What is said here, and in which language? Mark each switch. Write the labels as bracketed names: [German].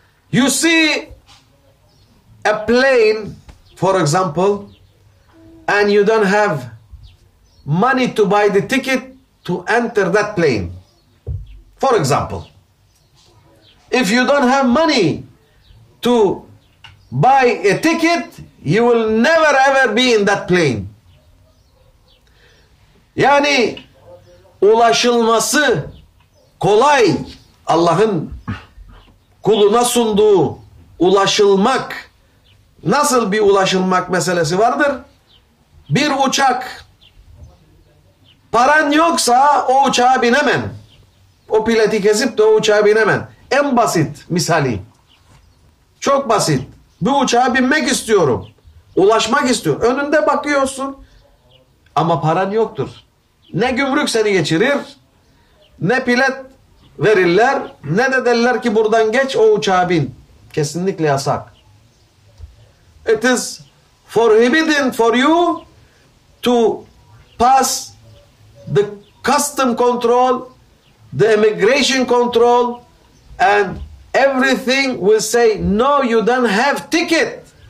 [English] You see a plane, for example, and you don't have money to buy the ticket to enter that plane. For example, if you don't have money to buy a ticket, you will never ever be in that plane. [Turkish] Yani ulaşılması kolay Allah'ın kuluna sunduğu ulaşılmak, nasıl bir ulaşılmak meselesi vardır? Bir uçak, paran yoksa o uçağa binemem. O bileti kesip de o uçağa binemem. En basit misali. Çok basit. Bir uçağa binmek istiyorum. Ulaşmak istiyorum. Önünde bakıyorsun ama paran yoktur. Ne gümrük seni geçirir, ne bilet verirler, ne de derler ki buradan geç o uçağa bin. Kesinlikle yasak. [English] It is forbidden for you to pass the custom control, the immigration control, and everything will say, no, you don't have ticket.